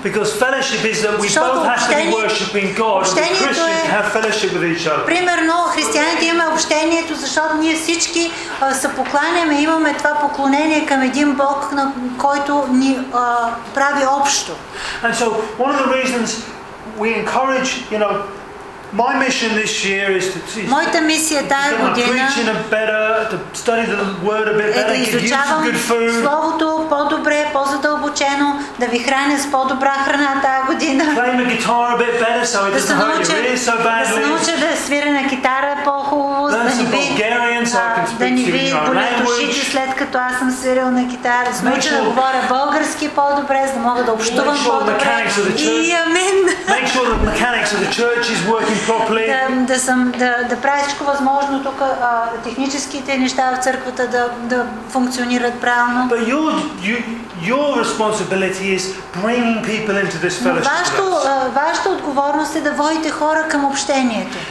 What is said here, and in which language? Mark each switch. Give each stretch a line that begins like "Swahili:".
English: Because fellowship is that we both have to be worshiping God. Christians have fellowship with each other.
Bulgarian: Примерно християните имаме общението, защото ние всички се покланяме, имаме това поклонение към един Бог, на който ни прави общо.
English: And so one of the reasons we encourage, you know, my mission this year is to preach in a better, to study the word a bit better, give you some good food.
Bulgarian: Словото по-добре, по-задълбочено, да ви храня с по-добра храна тая година.
English: Playing the guitar a bit better so it doesn't hurt your ears so badly.
Bulgarian: Да се науча да свиря на китара по-хубаво, да ни ви болят ушите след като аз съм свирил на китара. Да се науча да говоря български по-добре, за да мога да общувам по-добре. И амин!
English: Make sure the mechanics of the church is working.
Bulgarian: Да правя всичко възможно тук, техническите неща в църквата да функционират правилно.
English: But your responsibility is bringing people into this fellowship.
Bulgarian: Вашата отговорност е да водите хора към общението.